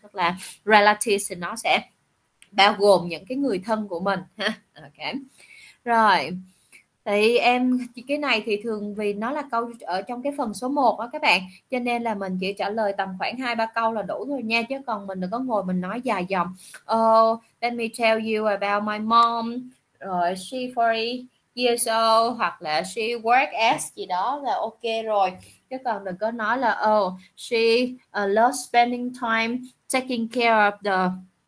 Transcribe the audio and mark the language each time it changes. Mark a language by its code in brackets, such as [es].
[vi] Tức là relatives thì nó sẽ bao gồm những cái người thân của mình ha. Ok rồi, thì em cái này thì thường vì nó là câu ở trong cái phần số 1 đó các bạn, cho nên là mình chỉ trả lời tầm khoảng 2 3 câu là đủ thôi nha, chứ còn mình đừng có ngồi mình nói dài dòng. [en] Oh, let me tell you about my mom. Rồi, she 40 years old, [vi] hoặc là [en] she work as [vi] gì đó là [en] ok rồi. [vi] Chứ còn đừng có nói là [en] oh, she loves spending time taking care of the